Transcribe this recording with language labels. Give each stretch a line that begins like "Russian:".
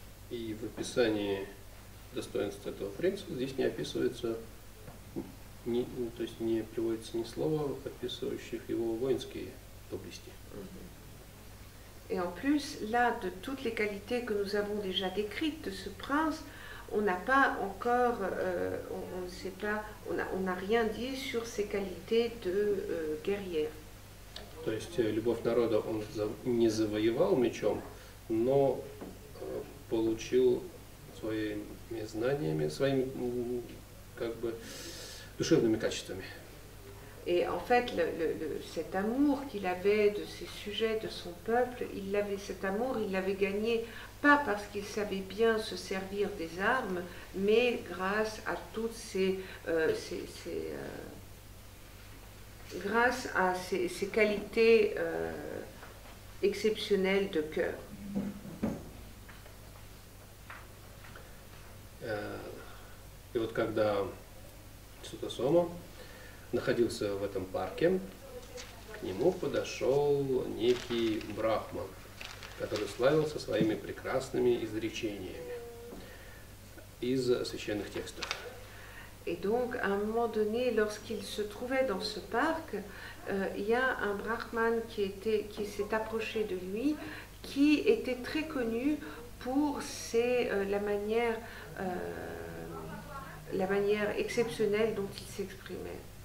Russian: И в описании достоинств этого принца здесь не описывается, то есть не приводится ни слова, описывающих его воинские доблести.
French: Et en plus, là, de toutes les qualités que nous avons déjà décrites de ce prince, on n'a pas encore, on ne sait pas, on n'a rien dit sur ses qualités de guerrière.
Russian: То есть любовь народа он не завоевал мечом, но получил своими знаниями, своими как бы душевными качествами.
French: Et en fait, cet amour qu'il avait de ses sujets, de son peuple, il l'avait gagné pas parce qu'il savait bien se servir des armes, mais grâce à toutes ses qualités exceptionnelles de cœur.
Russian: И вот когда Сутасома находился в этом парке, к нему подошел некий брахман, который славился своими прекрасными изречениями из священных текстов.
French: Et donc, à un moment donné, lorsqu'il se trouvait dans ce parc, il y a un brahman qui s'est approché de lui, qui était très connu pour la manière exceptionnelle dont il s'exprimait.